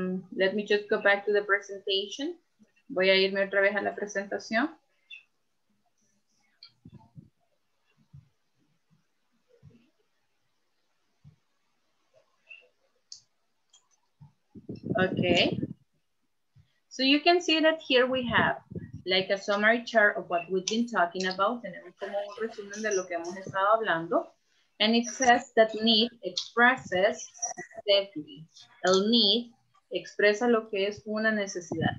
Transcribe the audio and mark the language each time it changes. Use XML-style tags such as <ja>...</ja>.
<en>Let me just go back to the presentation.</en> <es>Voy a irme otra vez a la presentación.</es> <en>Okay. So you can see that here we have like a summary chart of what we've been talking about.</en> <es>Tenemos como un resumen de lo que hemos estado hablando.</es> <en>And it says that need expresses definitely.</en> <es>El need expresa lo que es una necesidad.</es>